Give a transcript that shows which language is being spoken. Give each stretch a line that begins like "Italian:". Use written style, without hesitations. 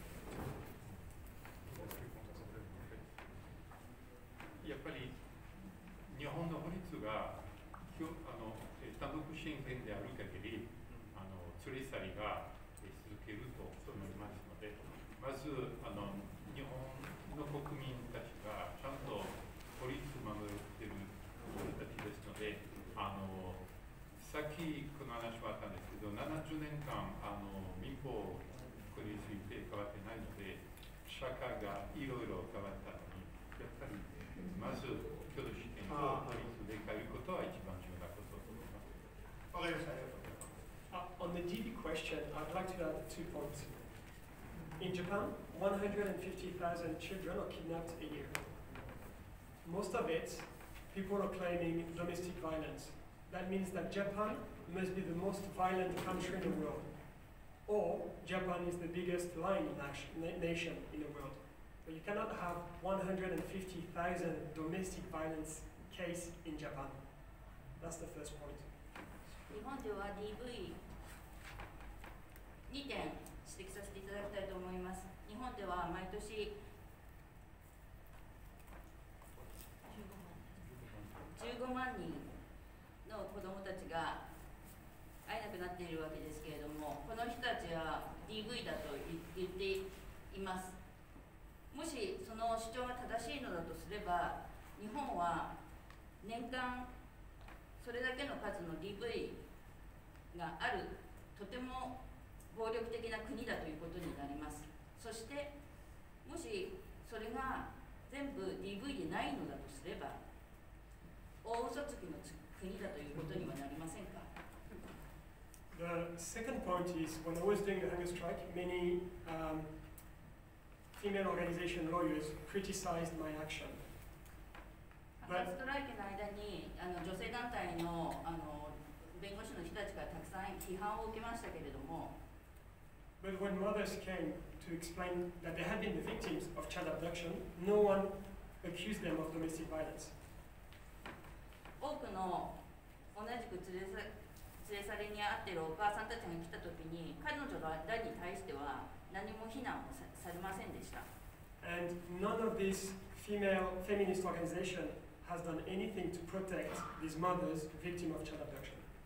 Japanese: やっぱり日本の法律が単独親権である限り、連れ去りが続けると思いますので、まず日本の国民たちがちゃんと法律を守っている人たちですので、さっきこの話はあったんですけど、70年間民法について変わってないので、社会がいろいろ変わったのに、やっぱりまず共同親権と法律で変えることは一番重要なことだと思います。
English: On the DB question, I'd like to add 2 points. In Japan, 150,000 children are kidnapped a year. Most of it, people are claiming domestic violence. That means that Japan must be the most violent country in the world. Or Japan is the biggest lying nation in the world. But you cannot have 150,000 domestic violence case in Japan. That's the first point.
Japanese: 日本では DV 2点指摘させていただきたいと思います。日本では毎年15万人の子どもたちが会えなくなっているわけですけれども、この人たちは DV だと言っています。もしその主張が正しいのだとすれば、日本は年間それだけの数の DV があるとても暴力的な国だということになります。そしてもしそれが全部 DV でないのだとすれば、大嘘つきの国だということにはなりませんか。
English: The second point is, when I was doing the hunger strike, many female organization lawyers criticized my action.
Japanese: ハンガーストライキの間に女性団体の弁護士の人たちからたくさん批判を受けましたけれども。
English: But when mothers came to explain that they had been the victims of child abduction, no one accused them of domestic violence.
Japanese: 多くの同じく連れ去りに遭っているお母さんたちが来たときに、彼女らに対しては何も非難をされませんでした。
English: And none of these feminist organization has done anything to protect these mothers victim of child abduction.